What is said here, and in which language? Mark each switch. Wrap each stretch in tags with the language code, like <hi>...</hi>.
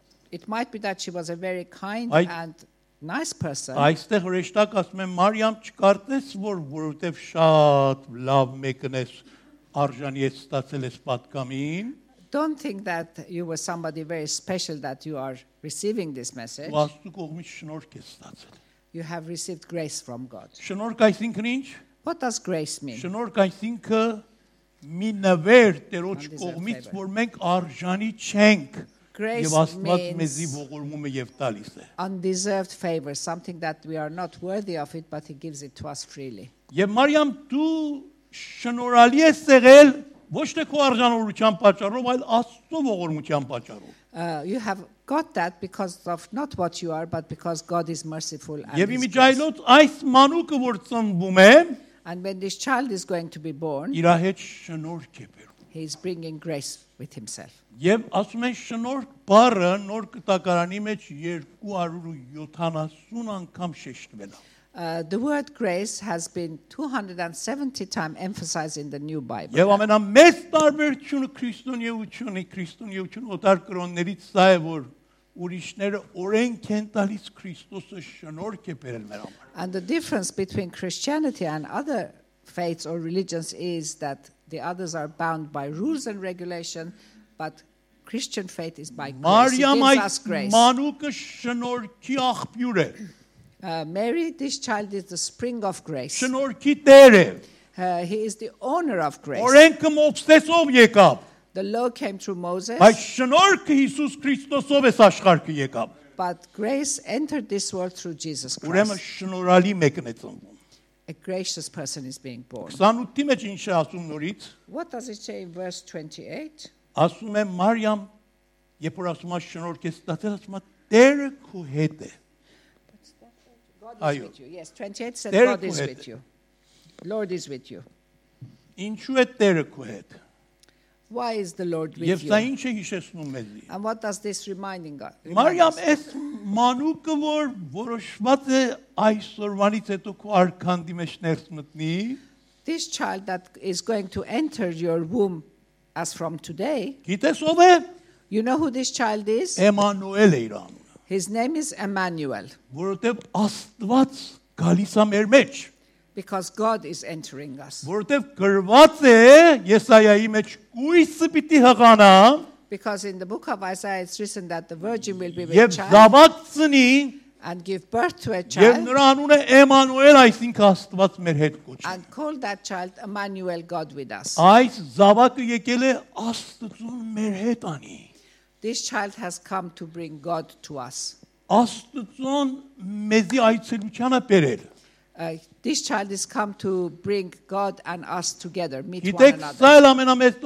<en>It might be that she was a very kind and nice person.</en> <hy>Այստեղ հրեշտակ ասում են Մարիամ, չկարծես որ որովհետև շատ լավ մեկն ես արժանի ես ստացել ես պատգամին.</hy> <en>Don't think that you were somebody very special that you are receiving this message.</en> <hy>Աստծո կողմից շնորհք ես ստացել.</hy> <en>You have received grace from God.</en> <hy>Շնորհք այսինքն ինչ?</hy> <en>What does grace mean?</en> <hy>Շնորհք այսինքն մի նվեր Տերոջ կողմից, որ մենք արժանի չենք եւ Աստված մեզի ողորմում է եւ տալիս է.</hy> <en>Undeserved favor, something that we are not worthy of it, but he gives it to us freely.</en> <hy>Եվ Մարիամ, դու շնորհալի ես եղել ոչ թե քո արժանավորության պատճառով, այլ Աստծո ողորմության պատճառով.</hy> <en>You have got that because of not what you are, but because God is merciful.</en> <hy>Եվ իմիջայլոտ այս մանուկը, որ ծնվում է,</hy> <en>and when this child is going to be born,</en> <hy>իր հետ շնորհք է բերում.</hy> <en>He He's bringing grace with himself.</en> <hy>Եվ ասում են շնորհ բառը նոր կտակարանի մեջ 270 անգամ շեշտվել է.</hy> <en>The word grace has been 270 times emphasized in the New Bible.</en> <hy>Եվ ամենամեծ տարբերությունը քրիստոնեությունը, քրիստոնեությունը օտար կրոններից սա է, որ ուրիշները օրենք են տալիս Քրիստոսը շնորհք է բերել մեր համար.</hy> <en>And the difference between Christianity and other faiths or religions is that the others are bound by rules and regulation, but Christian faith is by grace. It gives us grace.</en> <hy>Մանուկը շնորհքի աղբյուր է.</hy> <en>Mary, this child is the spring of grace.</en> <hy>Շնորհքի տեր է.</hy> <en>He is the owner of grace.</en> <hy>Օրենքը Մովսեսով եկավ.</hy> <en>The law came through Moses.</en> <hy>Բայց շնորհքը Հիսուս Քրիստոսով է աշխարհքը եկավ.</hy> <en>But grace entered this world through Jesus Christ.</en> <hy>Ուրեմն շնորհալի մեկն է ծնվում.</hy> <en>A gracious person is being born.</en> <hy>28-ի մեջ ինչ է ասում նորից?</hy> <en>What does it say in verse 28?</en> <hy>Ասում է Մարիամ, երբ որ ասում է շնորհք է ստացել, ասում է Տերը քո հետ է. Այո.</hy> <en>Yes, 28 said God is with you. Lord is with you.</en> <hy>Ինչու է Տերը քո հետ?</hy> <en>Why is the Lord with you?</en> <hy>Եվ սա ինչ է հիշեցնում մեզի?</hy> <en>And what does this reminding us?</en> <hy>Մարիամ, այս մանուկը, որ որոշված է այսօրվանից հետո քո արքանդի մեջ ներս մտնի,</hy> <en>this child that is going to enter your womb as from today.</en> <hy>Գիտես ով է?</hy> <en>You know who this child is?</en> <hy>Էմանուել է իր անունը.</hy> <en>His name is Emmanuel.</en> <hy>Որովհետև Աստված գալիս է մեր մեջ.</hy> <en>Because God is entering us.</en> <hy>Որտեվ գրված է Եսայայի մեջ կույսը պիտի հղանա.</hy> <en>Because in the book of Isaiah it's written that the virgin will be with child.</en> <hy>Եվ զավակցնի.</hy> <en>And give birth to a child.</en> <hy>Եվ նրա անունը Էմանուել, այսինքն Աստված մեր հետ կոչ։</hy> <en>And call that child Emmanuel, God with us.</en> <hy>Այս զավակը եկել է Աստծուն մեր հետ անի.</hy> <en>This child has come to bring God to us.</en> <hy>Աստծուն մեզի այցելությանը բերել։</hy> <en>This child has come to bring God and us together, meet one another.</en>